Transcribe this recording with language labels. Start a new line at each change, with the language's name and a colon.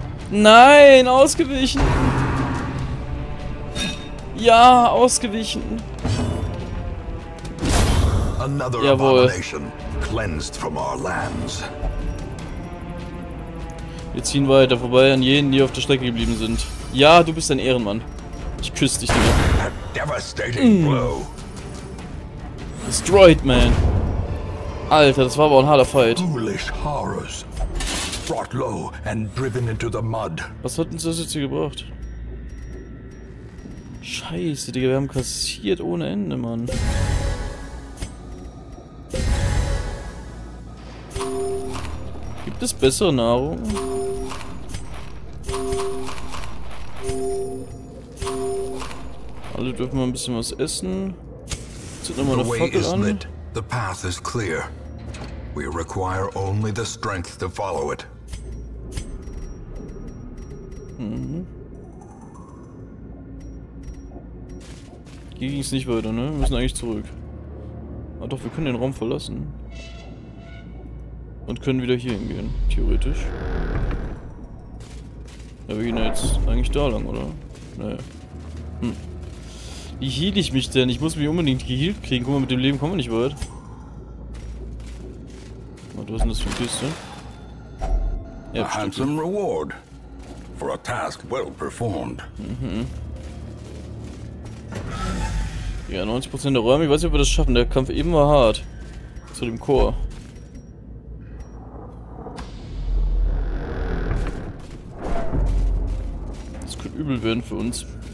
German: Nein, ausgewichen. Ja, ausgewichen.
English: Another abomination cleansed from our lands.
German: Wir ziehen weiter vorbei an jenen, die auf der Strecke geblieben sind. Ja, du bist ein Ehrenmann. Ich küsse dich, Digga.
English: A devastating blow. Destroyed, man.
German: Alter, das war aber ein harter Fight.
English: Foolish horrors. Brought low and driven into the mud.
German: Was hat uns das jetzt hier gebracht? Scheiße, Digga, wir haben kassiert ohne Ende, Mann. Gibt es bessere Nahrung? Alle dürfen mal ein bisschen was essen. Zünd nochmal eine Fackel an.
English: The path is clear. We require only the strength to follow it. Mhm.
German: Hier ging es nicht weiter, ne? Wir müssen eigentlich zurück. Ah doch, wir können den Raum verlassen. Und können wieder hier hingehen, theoretisch. Ja, wir gehen ja jetzt eigentlich da lang, oder? Naja. Hm. Wie heal ich mich denn? Ich muss mich unbedingt gehealt kriegen. Guck mal, mit dem Leben kommen wir nicht weit. Was ist denn das für eine Kiste?
English: Ja, a handsome reward for a task well performed. Mhm.
German: Ja, 90% der Räume. Ich weiß nicht, ob wir das schaffen. Der Kampf eben war hart. Zu dem Chor. Das könnte übel werden für uns.